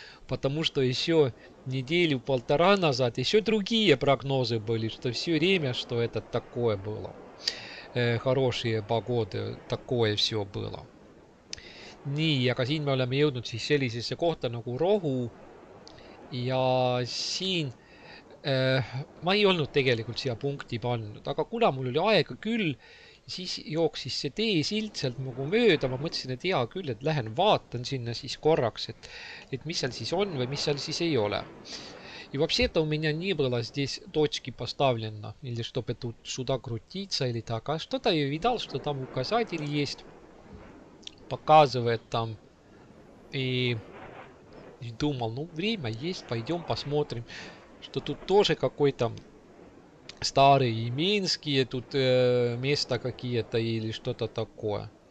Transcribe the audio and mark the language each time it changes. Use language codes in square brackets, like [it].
[ru] Потому что еще неделю-полтора назад еще другие прогнозы были, что все время, что это такое было. Хорошие погоды, такое все было. [et] Nii, aga siin me oleme jõudnud siis sellisesse kohta nagu Rohu ja siin ma ei olnud tegelikult siia punkti pannud, aga kuna mul oli aega küll, siis jooksis see tee silt sealt nagu mööda, ma mõtlesin, et hea küll, et lähen vaatan sinna siis korraks, et mis seal siis on või mis seal siis ei ole. [ru] И вообще-то у меня не было здесь точки поставлено, или чтобы тут сюда крутиться или так, а что-то я видал, что там указатель есть. Показывает там и думал, ну время есть, пойдем посмотрим, что тут тоже какой-то старый и минские тут места какие-то или что-то такое.